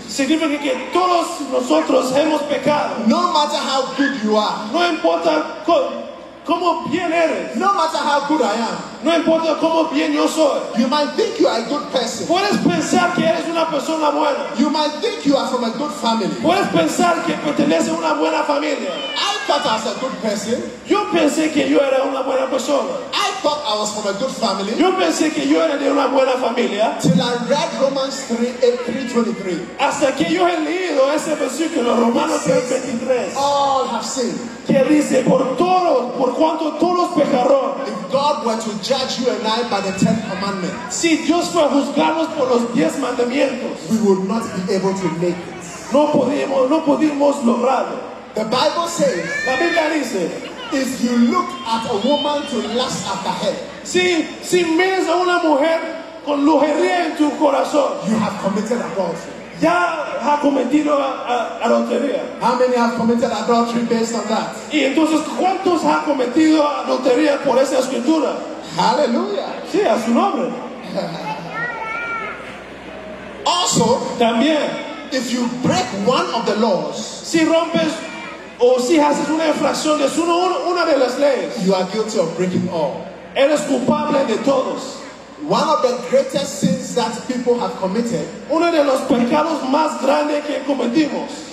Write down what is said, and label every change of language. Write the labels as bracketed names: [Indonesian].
[Spanish] Significa que todos nosotros hemos pecado. [English] No matter how good you are. [Spanish] No importa cómo bien eres. [English] No matter how good I am. [Spanish] No importa cómo bien yo soy. [English] You might think you are a good person. [Spanish] Puedes pensar que eres una persona buena. [English] You might think you are from a good family. [Spanish] Puedes pensar que perteneces a una buena familia. [English] I thought I was a good person. [Spanish] Yo pensé que yo era una buena persona. [English] I thought I was from a good family. [Spanish] Yo pensé que yo era de una buena familia. [English] Till I read Romans 3:23. [Spanish] Hasta que yo he leído ese versículo, Romanos 3:23. [English] All have sinned. [Spanish] Que dice, por cuanto todos pecaron. [English] If God were to judge you and I by the 10 commandments, [Spanish] si Dios fue a juzgarnos por los 10 mandamientos, [English] we would not be able to make it. [Spanish] No podemos lograrlo. [English] The Bible says, [Spanish] la Biblia dice, [English] if you look at a woman to lust after her, [Spanish] si miras a una mujer con lujería en tu corazón, [English] you have committed adultery. [Spanish] Ya ha cometido adultería. [English] How many have committed adultery based on that? [Spanish] Y entonces, ¿cuántos han cometido adultería por esa escritura? [English] Hallelujah. [Spanish] Sí, a su nombre. [English] Also, [Spanish] también, [English] if you break one of the laws, [Spanish] si rompes o si haces una infracción de una de las leyes, [English] you are guilty of breaking all. [Spanish] Eres culpable de todos. [English] One of the greatest sins that people have committed, [Spanish] uno de los pecados más grandes que cometimos,